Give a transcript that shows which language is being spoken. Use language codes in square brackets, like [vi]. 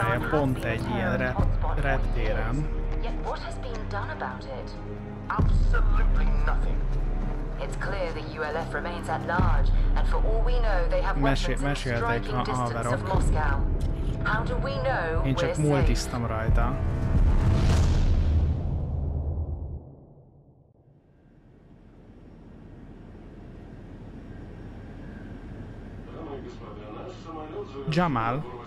[hu] Pont egy ilyen reptéren. [en] Yet what has been done about it? Absolutely nothing. It's clear the ULF remains at large, and for all we know, they have weapons in striking distance of Moscow. How do we know we're safe? [hu] Én csak multiztam rajta. Jamal.